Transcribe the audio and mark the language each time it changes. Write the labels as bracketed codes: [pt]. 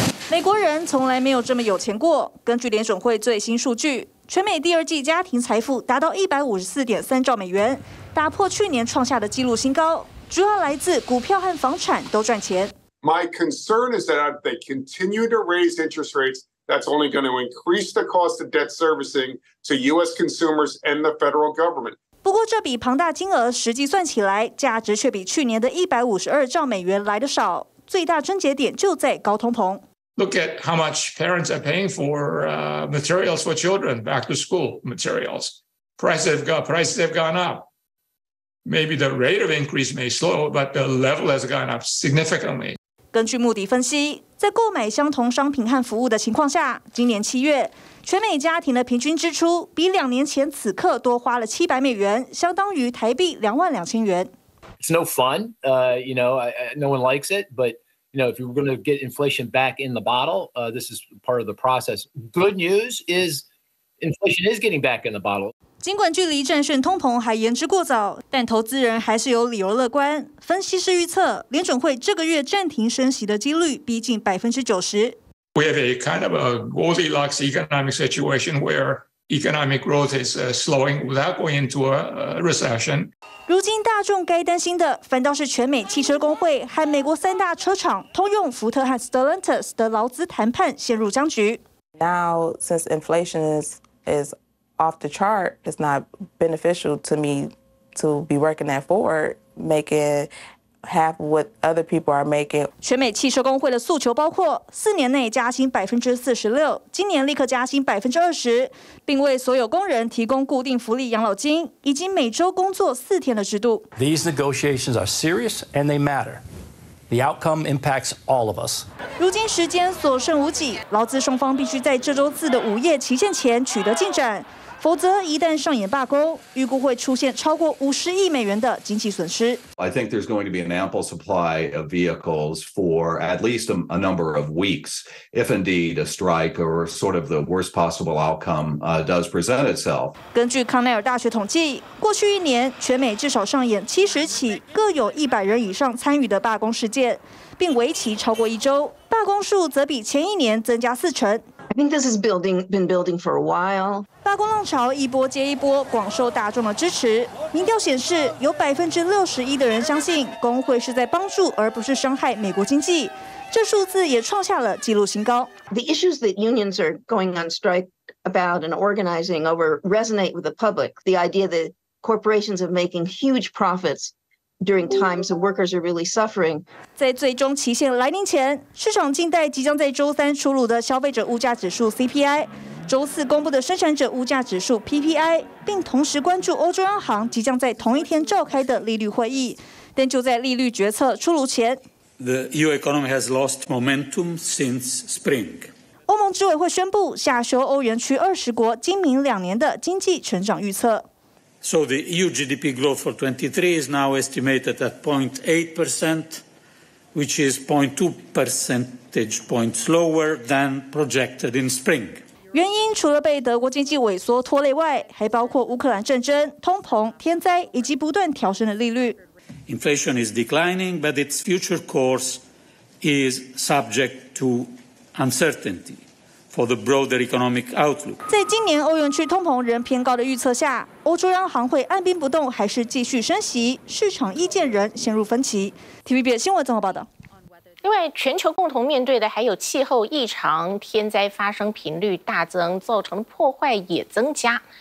[zh] 美国人从来没有这么有钱过，根据联准会最新数据，全美第二季家庭财富达到154.3兆美元，打破去年创下的纪录新高，主要来自股票和房产都赚钱。 [en] My concern is that if they continue to raise interest rates, that's only going to increase the cost of debt servicing to U.S. consumers and the federal government. [zh] 不过这笔庞大金额实际算起来，价值却比去年的152兆美元来得少。最大症结点就在高通膨。 [en] Look at how much parents are paying for materials for children, back to school materials. Prices have gone up. Maybe the rate of increase may slow, but the level has gone up significantly. [zh] 根据穆迪分析，在购买相同商品和服务的情况下，今年七月全美家庭的平均支出比两年前此刻多花了700美元，相当于台币22000元。 [en] It's no fun, no one likes it, but if you're going to get inflation back in the bottle, this is part of the process. Good news is inflation is getting back in the bottle. [zh] 尽管距离战胜通膨还言之过早，但投资人还是有理由乐观。分析师预测，联准会这个月暂停升息的几率逼近90%。 [en] We have a kind of a Goldilocks economic situation where economic growth is slowing without going into a recession. [zh] 如今大众该担心的反倒是全美汽车工会和美国三大车厂通用、福特和 Stellantis 的劳资谈判陷入僵局。 [en] Now, since inflation is off the chart, it's not beneficial to me to be working at Ford, making half what other people are making. [zh] 全美汽车工会的诉求包括四年内加薪46%，今年立刻加薪20%，并为所有工人提供固定福利养老金，以及每周工作4天的制度。 [en] These negotiations are serious and they matter. The outcome impacts all of us. [zh] 如今时间所剩无几，劳资双方必须在这周四的午夜期限前取得进展，否则一旦上演罢工，预估会出现超过50亿美元的经济损失。 [en] I think there's going to be an ample supply of vehicles for at least a number of weeks, if indeed a strike or sort of the worst possible outcome does present itself. [zh] 根据康奈尔大学统计，过去一年全美至少上演70起各有100人以上参与的罢工事件，并为期超过一周，罢工数则比前一年增加40%。 [en] I think this has been building for a while. [zh] 罢工浪潮一波接一波，广受大众的支持。民调显示，有61%的人相信工会是在帮助而不是伤害美国经济，这数字也创下了纪录新高。 [en] The issues that unions are going on strike about and organizing over resonate with the public. The idea that corporations are making huge profits during times when workers are really suffering. [zh] 在最终期限来临前，市场静待即将在周三出炉的消费者物价指数 CPI， 周四公布的生产者物价指数 PPI， 并同时关注欧洲央行即将在同一天召开的利率会议。但就在利率决策出炉前， [en] The EU economy has lost momentum since spring. [zh] 欧盟执委会宣布下修欧元区20国今明两年的经济成长预测。 [en] So the EU GDP growth for 23 is now estimated at 0.8%, which is 0.2 percentage points lower than projected in spring. [zh] 原因除了被德国经济萎缩拖累外，还包括乌克兰战争、通膨、天灾以及不断调升的利率。 [en] Inflation is declining, but its future course is subject to uncertainty for the broader economic outlook. [zh] 在今年欧元区通膨仍偏高的预测下，欧洲央行会按兵不动还是继续升息，市场意见仍陷入分歧。 TVBS 新闻综合报道。另外，全球共同面对的还有气候异常，天灾发生频率大增，造成破坏也增加。